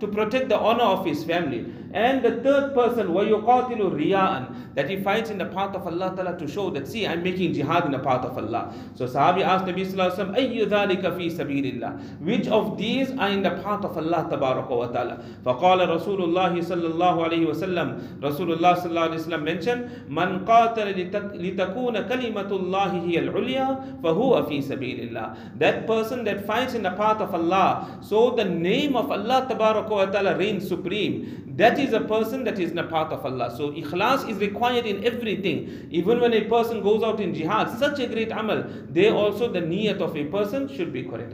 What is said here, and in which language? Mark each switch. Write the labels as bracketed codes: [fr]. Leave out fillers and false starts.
[en] To protect the honor of his family. And the third person, [ar] وَيُقَاتِلُ رِيَاءً, [en] that he fights in the path of Allah Ta'ala to show that, see, I'm making jihad in the path of Allah. So Sahabi asked Nabi Sallallahu Alaihi Wasallam, [ar] أَيُّ ذَلِكَ فِي سَبِيلِ اللَّهِ, [en] which of these are in the path of Allah Tabaraka wa Ta'ala? [ar] فَقَالَ رَسُولُ اللَّهِ صَلَّى اللَّهُ عَلَيْهِ وَسَلَّمْ. [en] Rasulullah Sallallahu Alaihi Wasallam mentioned, [ar] مَنْ قَاتَلَ لِتَكُونَ كَلِمَةُ اللَّهِ هِيَ الْعُلْيَا فَهُوَ فِي سَبِيلِ اللَّهِ. [en] That person that fights in the path of Allah, so the name of Allah Tabaraka wa Ta'ala reigns supreme. That is a person that is in the path of Allah. So ikhlas is required in everything. Even when a person goes out in jihad, such a great amal, they also, the niyat of a person should be correct.